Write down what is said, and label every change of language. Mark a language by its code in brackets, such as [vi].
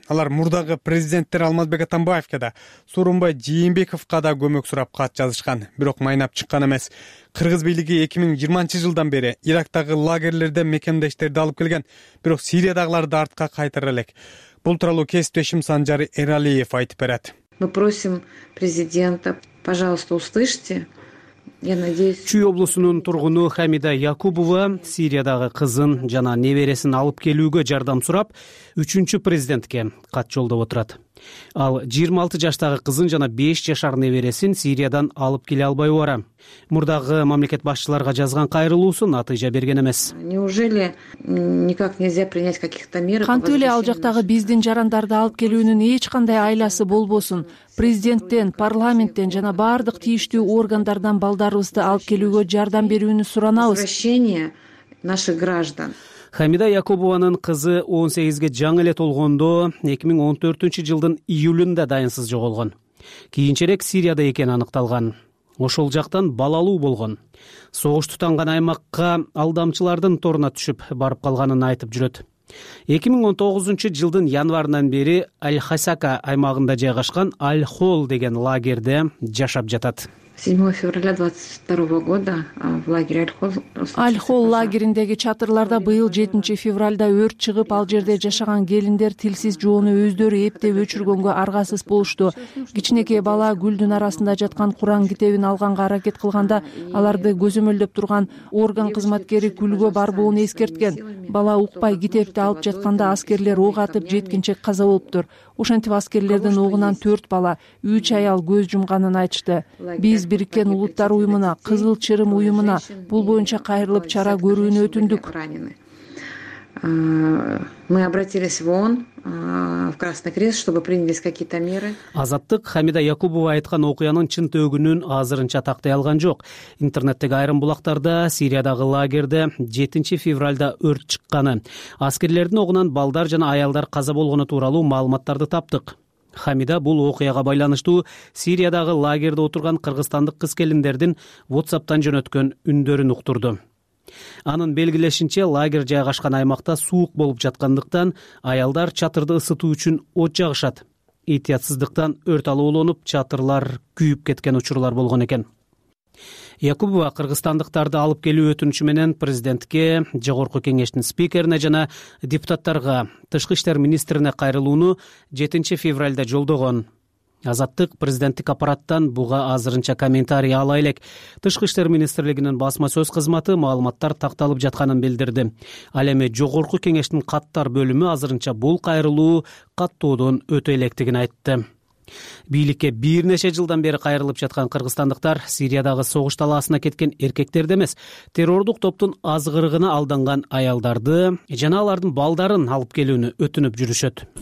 [ky] Алар мурдагы президенттер Алмазбек Атамбаевке да, Сооронбай Жээнбековго да көмөк сурап кат жазышкан, бирок майнап чыккан эмес. Кыргыз бийлиги 2020-жылдан бери Ирактагы лагерлерде мекендештерди алып келген, бирок Сириядагыларды артка кайтара элек. Бул тууралуу кесиптешим Санжар Эралиев айтып берет. [ru] Мы просим президента, пожалуйста, услышьте. Я надеюсь. [ky] Чүй облусунун тургуну Хамида Якубова Сириядагы кызын жана небересин алып келүүгө жардам сурап, 3-чү президентке кат жолдоп отурат. Ал 26 жаштагы кызын жана 5 жашар небересин Сириядан алып келе албай убара. Мурдагы мамлекет башчыларга жазган кайрылуусу натыйжа берген эмес. [ru] Неужели никак нельзя принять каких-то мер? [ky] Кантип эле ал жактагы биздин жарандарды алып келүүнүн эч кандай айласы болбосун. Президенттен, парламенттен жана баардык тийиштүү органдардан балдарыбызды алып келүүгө жардам берүүнү суранабыз. [ru] Возвращение наших граждан. [ky] Хамида Якубованын кызы 18'ге жаңы эле толгондо 2014 жылдын июлунда дайынсыз жоголгон. Кийинчерээк Сирияда экени аныкталган. Ошол жактан балалуу болгон. Согуш тутанган аймакка алдамчылардын торуна түшүп барып калганын айтып жүрөт. 2019 жылдын январынан бери Аль-Хасака аймагында жайгашкан Аль-Хол деген лагерде жашап жатат. [ru] 7 февраля 2022 года в лагере Аль-Хол [ky] лагериндеги чатырларда быйыл 7 февралда өрт чыгып, ал жерде жашаган келиндер тилсиз жоону өздөрү эптеп өчүргөнгө аргасыз болушту. Кичинекей бала гүлдүн арасында жаткан Куран китебин алганга аракет кылганда аларды көзөмөлдөп турган орган кызматкери күлгө барбоону эскерткен. Бала укпай китепти алып жатканда аскерлер ок атып, жеткинчек каза болуптур. Ошентип аскерлердин огунан 4 бала, 3 аял көз жумганын айтышты. Биз Бириккен улуттар уюмуна, Кызыл Чырым уюмуна бул боюнча кайрылып чара көрүүнү өтүндүк. [ru] Мы обратились в ООН, в Красный Крест, чтобы принялись какие-то меры. [ky] Азаттык Хамида Якубова айткан окуянын чын төгүнүн азырынча тактай алган жок. Интернеттеги айрым булактарда Сириядагы лагерде 7 февралда өрт чыкканы, аскерлердин огунан балдар жана аялдар каза болгону тууралуу маалыматтарды таптык. Хамида бул окуяга байланыштуу Сириядагы лагерде отурган кыргызстандык кыз келиндердин WhatsApp'тан жөнөткөн үндөрүн уктурду. Анын белгилешинче, лагерь жайгашкан аймакта суук болуп жаткандыктан аялдар чатырды ысытуу үчүн от жагышат. Ийтиятсыздыктан өрт алууланып, чатырлар күйүп кеткен учурлар болгон экен. Якубова кыргызстандыктарды алып келүү өтүнүчү менен президентке, жогорку кеңештин спикерине жана депутаттарга, тышкы иштер министрине кайрылууну 7 февралда жолдогон. Азаттык президенттик аппараттан буга азырынча комментарий ала элек. Тышкы иштер министрлигинин басма сөз кызматы маалыматтар такталып жатканын билдирди. Ал эми жогорку кеңештин каттар бөлүмү азырынча бул кайрылуу каттоодон өтө электигин айтты. Бийликке бир нече жылдан бери кайрылып жаткан кыргызстандыктар Сириядагы согуш талаасына кеткен эркектерди эмес, террордук топтун азгырыгына алданган аялдарды жана алардын балдарын алып келүүнү өтүнүп жүрүшөт.